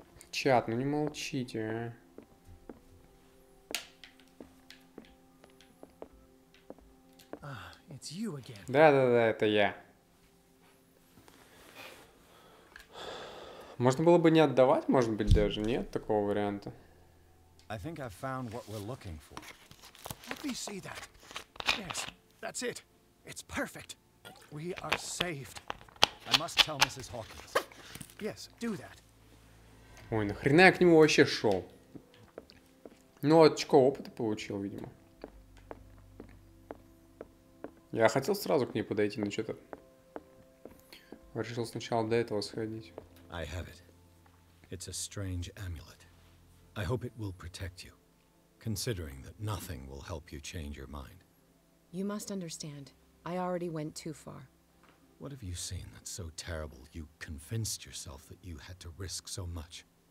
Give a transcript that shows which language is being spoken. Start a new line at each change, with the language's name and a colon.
Russian: Чат, ну не молчите, а. Да-да-да, это я. Можно было бы не отдавать, может быть, даже нет такого варианта.
English: I think I've found what we're looking for. Let me see that. Yes, that's it. It's perfect. We are saved. I must tell Mrs. Hawkins. Yes, do that.
Russian: Ой, нахрена я к нему вообще шел? Ну, очко опыта получил, видимо. Я хотел сразу к ней подойти, но что-то... Решил сначала до этого сходить.
English: I have it. It's a strange amulet. I hope it will protect you, considering that nothing will help you change your mind. You must understand. I already went too far. What have you seen that's so terrible you convinced yourself that you had to risk so much?